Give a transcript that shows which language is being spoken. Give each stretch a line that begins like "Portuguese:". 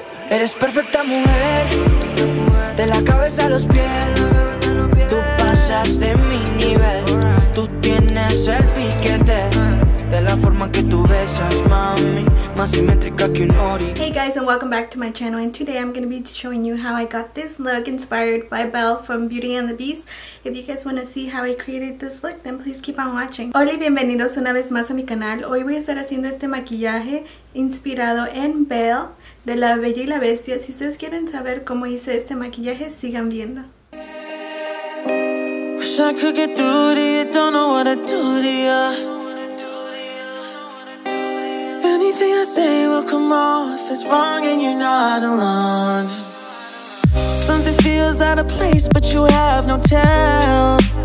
Spanish: Eres perfecta mujer, de la cabeza a los pies. Tú pasas de mi nivel, tú tienes el piquete.
English: Hey guys, and welcome back to my channel. And today I'm gonna be showing you how I got this look inspired by Belle from Beauty and the Beast. If you guys wanna see how I created this look, then please keep on watching.
Spanish: Hola y bienvenidos una vez más a mi canal. Hoy voy a estar haciendo este maquillaje inspirado en Belle de La Bella y la Bestia. Si ustedes quieren saber cómo hice este maquillaje, sigan viendo.
English: Wish I could get through to you, don't know what I do to ya. Anything I say will come off as wrong and you're not alone. Something feels out of place but you have no tell.